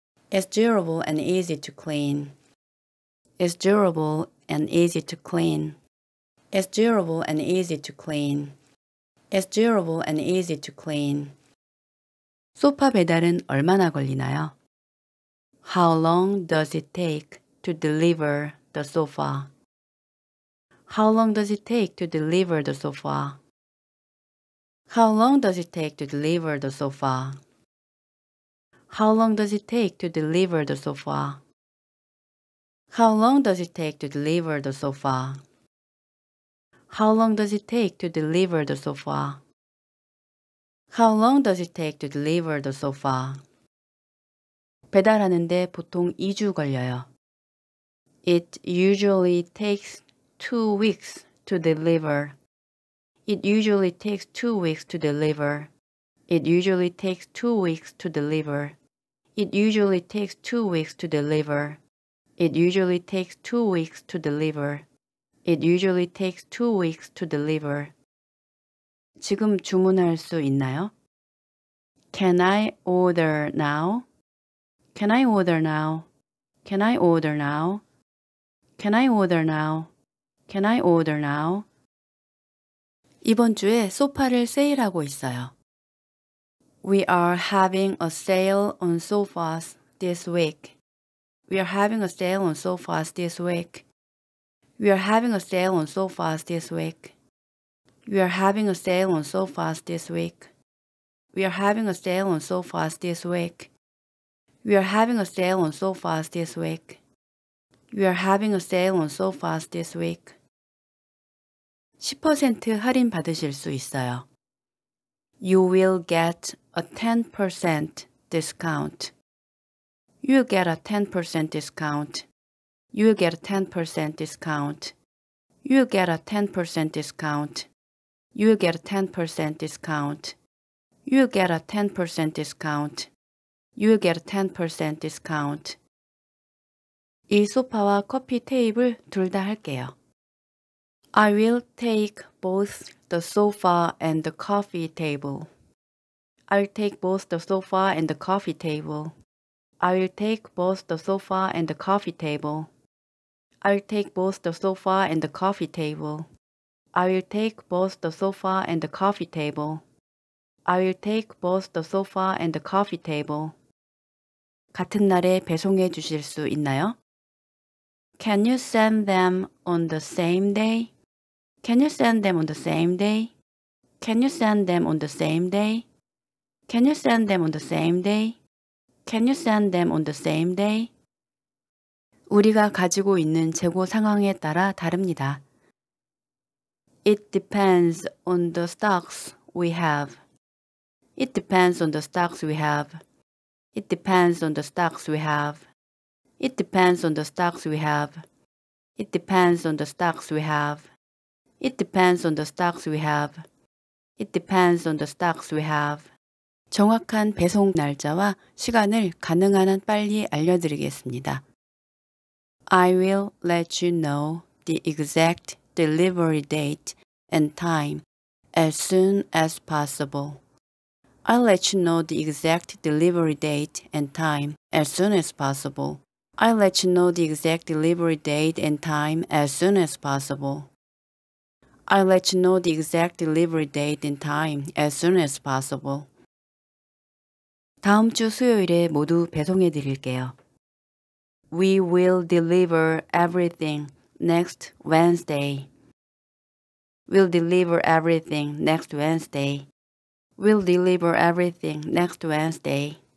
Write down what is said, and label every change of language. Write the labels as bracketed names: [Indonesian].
[English] It's durable and easy to clean. It's durable and easy to clean. It's durable and easy to clean. It's durable and easy to clean. [Korean] 소파 배달은 얼마나 걸리나요? [English] How long does it take to deliver the sofa? How long does it take to deliver the sofa? How long does it take to deliver the sofa? How long does it take to deliver the sofa? How long does it take to deliver the sofa? How long does it take to deliver the sofa? How long does it take to deliver the sofa? [Korean] 배달하는데 보통 2주 걸려요. [English] It usually takes 2 weeks to deliver. It usually takes 2 weeks to deliver. It usually takes 2 weeks to deliver. It usually takes 2 weeks to deliver. It usually takes 2 weeks to deliver. It usually takes 2 weeks to deliver. [Korean] 지금 주문할 수 있나요? [English] Can I order now? Can I order now? Can I order now? Can I order now? Can I order now? [Korean] 이번 주에 소파를 세일하고 있어요. [English] We are having a sale on sofas this week. We are having a sale on sofas this week. We are having a sale on sofas this week. We are having a sale on sofas this week. We are having a sale on sofas this week. We are having a sale on sofas this week. We are having a sale on sofas this week. [Korean] 10% 할인 받으실 수 있어요. [English] You will get a 10% discount. You will get a 10% discount. You will get a 10% discount. You will get a 10% discount. You will get a 10% discount. You will get a 10% discount. You will get a 10% discount. [Korean] 이 소파와 커피 테이블 둘 다 할게요. [English] I will take both the sofa and the coffee table. I'll take both the sofa and the coffee table. I will take both the sofa and the coffee table. I'll take both the sofa and the coffee table. I will take both the sofa and the coffee table. I will take both the sofa and the coffee table. [Korean] 같은 날에 배송해 주실 수 있나요? [English] Can you send them on the same day? Can you send them on the same day? Can you send them on the same day? Can you send them on the same day? Can you send them on the same day? [Korean] 우리가 가지고 있는 재고 상황에 따라 다릅니다. [English] It depends on the stocks we have. It depends on the stocks we have. It depends on the stocks we have. It depends on the stocks we have. It depends on the stocks we have. It depends on the stocks we have. It depends on the stocks we have. [Korean] 정확한 배송 날짜와 시간을 가능한 한 빨리 알려드리겠습니다. [English] I will let you know the exact delivery date and time as soon as possible. I'll let you know the exact delivery date and time as soon as possible. I'll let you know the exact delivery date and time as soon as possible. I'll let you know the exact delivery date and time as soon as possible. [Korean] 다음 주 수요일에 모두 배송해 드릴게요. [English] We will deliver everything next Wednesday. We'll deliver everything next Wednesday. We'll deliver everything next Wednesday.